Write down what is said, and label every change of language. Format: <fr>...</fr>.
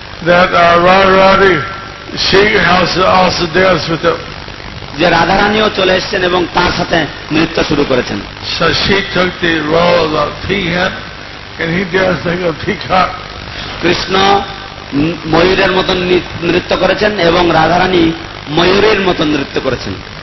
<en>that Radharani, she has also danced with him.</en> <bn>যে রাধারানীও চলে এসছেন এবং তার সাথে নৃত্য শুরু করেছেন.</bn> <en>So she took the role of peacock and he danced like a peacock.</en> <bn>Krishna ময়ূরের মতো নৃত্য করেছেন এবং রাধারানী ময়ূরের মতো নৃত্য করেছেন.</bn>